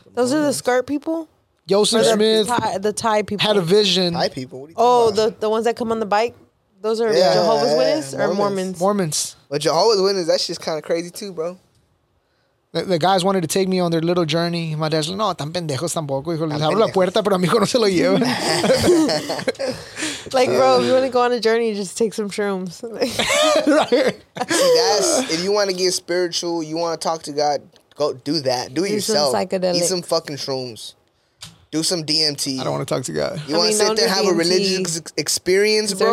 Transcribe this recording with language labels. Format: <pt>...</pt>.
<en>Those are the skirt people? Joseph Smith. The Thai people. Had a vision. Thai people? What are you talking about? The ones that come on the bike? Those are Jehovah's Witnesses or Mormons? Mormons. But Jehovah's Witnesses, that's just kind of crazy too, bro. The guys wanted to take me on their little journey. My dad's like, no,</en> <es>tan pendejos tampoco. Hijo, les abro la puerta, pero amigo no se lo lleva.</es> <en>Like, bro, if you want to go on a journey, just take some shrooms. Right. See, that's, if you want to get spiritual, you want to talk to God, go do that. Do it yourself. Psychedelics. Eat some fucking shrooms. Do some DMT. I don't want to talk to God. You want to sit there and have a religious experience, bro?</en>